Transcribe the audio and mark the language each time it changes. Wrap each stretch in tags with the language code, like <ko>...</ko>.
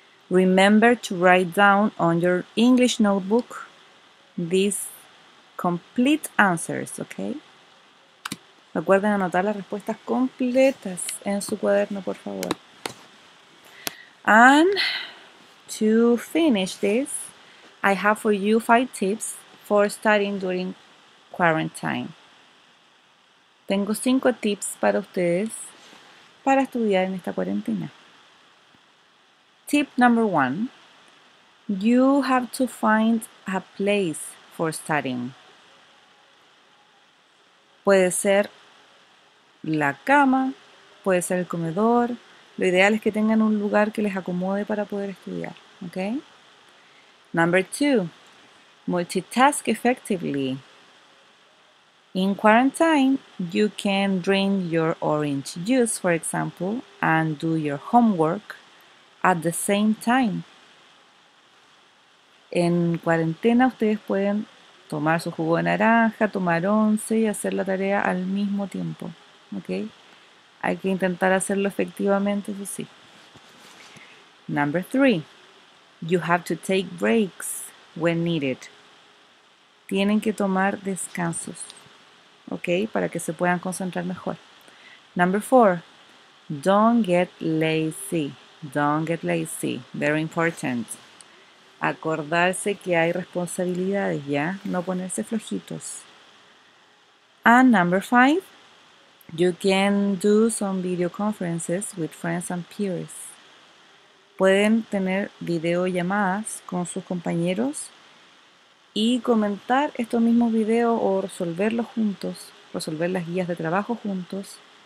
<en>Remember to write down on your English notebook these complete answers, okay?</en> <es>Recuerden anotar las respuestas completas en su cuaderno, por favor.</es> <en>And to finish this, I have for you 5 tips for studying during quarantine.</en> <es>Tengo 5 tips para ustedes para estudiar en esta cuarentena.</es> <en>Tip number 1. You have to find a place for studying.</en> <es>Puede ser la cama, puede ser el comedor. Lo ideal es que tengan un lugar que les acomode para poder estudiar, ¿okay?</es> <en>Number 2. Multitask effectively. In quarantine, you can drink your orange juice, for example, and do your homework at the same time.</en> <es>En cuarentena ustedes pueden tomar su jugo de naranja, tomar once y hacer la tarea al mismo tiempo. ¿Okay? Hay que intentar hacerlo efectivamente, eso sí.</es> <en>Number three, you have to take breaks when needed.</en> <es>Tienen que tomar descansos, ¿okay? Para que se puedan concentrar mejor.</es> <en>Number four, don't get lazy. Don't get lazy. Very important.</en> <es>Acordarse que hay responsabilidades, ¿ya? No ponerse flojitos.</es> <en>And number five, you can do some video conferences with friends and peers.</en> <es>Pueden tener videollamadas con sus compañeros y comentar estos mismos videos o resolverlos juntos, resolver las guías de trabajo juntos.</es>